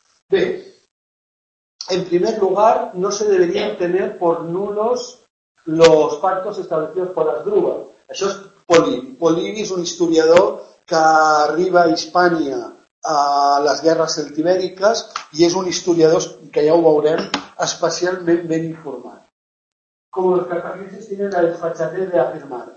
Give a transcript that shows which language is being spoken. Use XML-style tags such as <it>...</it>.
<es>Bé, en primer lugar, no se deberían tener por nulos los pactos establecidos por Asdrúbal.</es> <ca>Això és Polibi. Polibi és un historiador que arriba a Hispània a les guerres celtibèriques i és un historiador que ja ho veurem especialment ben informat.</ca> <es>Como los cartagineses tienen la desfachatez de afirmar.</es>